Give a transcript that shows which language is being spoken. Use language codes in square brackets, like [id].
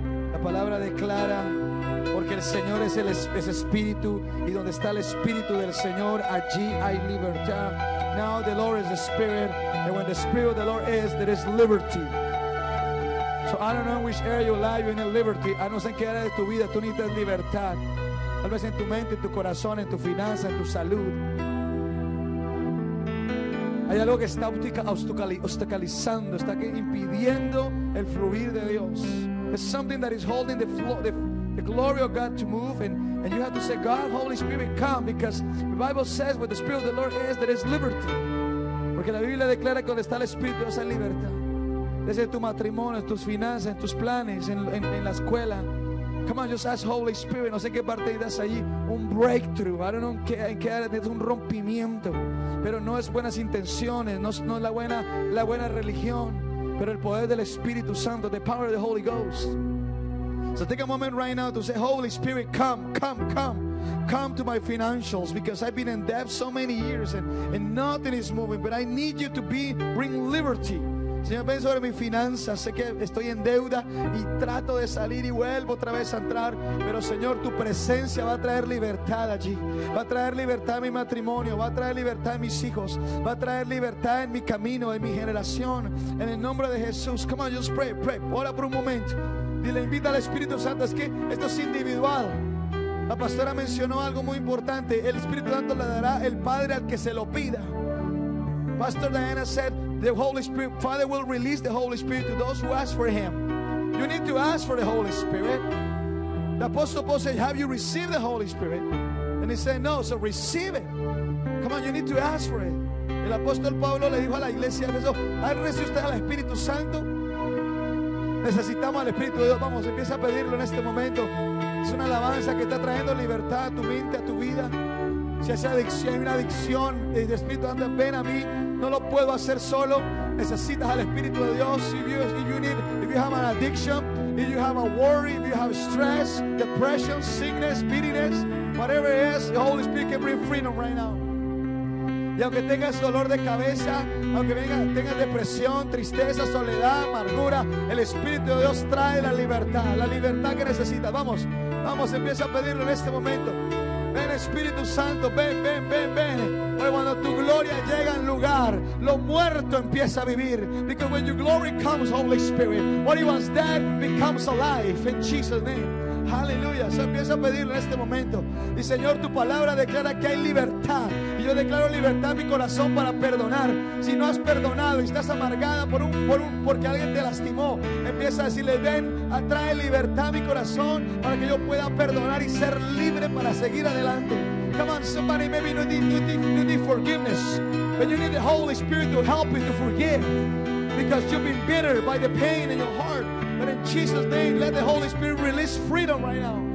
[es] La palabra declara, porque el Señor es el es Espíritu, y donde está el Espíritu del Señor, allí hay libertad. [en] Now the Lord is the Spirit, and when the Spirit of the Lord is, there is liberty. So I don't know in which area you lie, you're in liberty. I don't know [es] en qué área de tu vida tú necesitas libertad. Tal vez en tu mente, en tu corazón, en tu finanza, en tu salud. Hay algo que está obstaculizando, está impidiendo el fluir de Dios. [en] There's something that is holding the glory of God to move, and you have to say, God, Holy Spirit, come, because the Bible says where the Spirit of the Lord is, there is liberty. [es] Porque la Biblia declara que donde está el Espíritu, Dios, hay libertad. Desde tu matrimonio, tus finanzas, en tus planes, en la escuela. [en] Come on, just ask Holy Spirit. [es] No sé qué parte das allí. Un breakthrough. [en] I don't know [es] en qué área es un rompimiento. Pero no es buenas intenciones. No es la buena religión. Pero el poder del Espíritu Santo. [en] The power of the Holy Ghost. So take a moment right now to say, Holy Spirit, come to my financials, because I've been in debt so many years and nothing is moving. But I need you to bring liberty. [es] Señor, ven sobre mis finanzas. Sé que estoy en deuda y trato de salir y vuelvo otra vez a entrar. Pero Señor, tu presencia va a traer libertad allí. Va a traer libertad a mi matrimonio. Va a traer libertad a mis hijos. Va a traer libertad en mi camino, en mi generación. En el nombre de Jesús. [en] Come on, just pray. [es] Ora por un momento. Dile, invita al Espíritu Santo. Es que esto es individual. La pastora mencionó algo muy importante. El Espíritu Santo le dará el Padre al que se lo pida. [en] Pastor Diana said, the Holy Spirit, Father will release the Holy Spirit to those who ask for Him. You need to ask for the Holy Spirit. The Apostle Paul said, have you received the Holy Spirit? And he said, no, so receive it. Come on, you need to ask for it. [es] El Apostle Pablo le dijo a la iglesia, ¿han recibido usted al Espíritu Santo? Necesitamos al Espíritu de Dios. Vamos, empieza a pedirlo en este momento. Es una alabanza que está trayendo libertad a tu mente, a tu vida. Si hay adicción, hay una adicción, el Espíritu anda, ven a mí. No lo puedo hacer solo. Necesitas al Espíritu de Dios. [en] If you have an addiction, if you have a worry, if you have stress, depression, sickness, bitterness, whatever it is, the Holy Spirit can bring freedom right now. [es] Y aunque tengas dolor de cabeza, aunque tengas depresión, tristeza, soledad, amargura, el Espíritu de Dios trae la libertad que necesitas. Vamos, vamos, empieza a pedirlo en este momento. Ven Espíritu Santo, ven. Porque cuando tu gloria llega al lugar, lo muerto empieza a vivir. [en] Because when your glory comes, Holy Spirit, what it was dead becomes alive in Jesus' name. [es] Hallelujah. So empieza a pedirlo en este momento. Y Señor, tu palabra declara que hay libertad. Y yo declaro libertad en mi corazón para perdonar. Si no has perdonado y estás amargada porque alguien te lastimó, empieza a decirle, ven, atrae libertad a mi corazón para que yo pueda perdonar y ser libre para seguir adelante. [en] Come on, somebody, maybe you need forgiveness. But you need the Holy Spirit to help you to forgive. Because you've been bitter by the pain in your heart. But in Jesus' name, let the Holy Spirit release freedom right now.